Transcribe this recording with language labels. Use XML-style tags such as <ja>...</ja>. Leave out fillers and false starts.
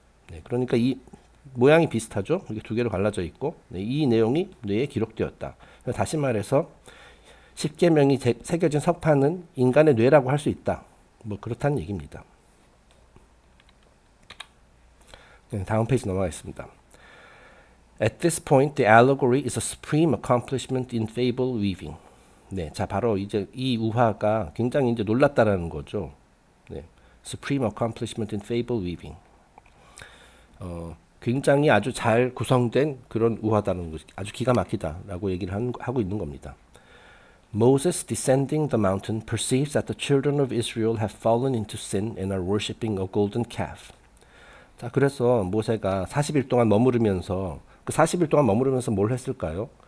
<ko>네, 그러니까 이 모양이 비슷하죠. 이렇게 두 개로 갈라져 있고, 네, 이 내용이 뇌에 기록되었다. 다시 말해서 십계명이 새겨진 석판은 인간의 뇌라고 할수 있다. 뭐 그렇다는 얘기입니다. 네, 다음 페이지 넘어가겠습니다.</ko> <en>At this point, the allegory is a supreme accomplishment in fable weaving.</en> <ko>네, 자, 바로 이제 이 우화가 굉장히 이제 놀랐다라는 거죠.</ko> <en>네, supreme accomplishment in fable weaving.</en> <ko>굉장히 아주 잘 구성된 그런 우화다는 것이 아주 기가 막히다라고 얘기를 하고 있는 겁니다.</ko> <en>Moses descending the mountain perceives that the children of Israel have fallen into sin and are worshipping a golden calf.</en> <ko>자, 그래서 모세가 40일 동안 머무르면서, 그 40일 동안 머무르면서 뭘 했을까요?</ko>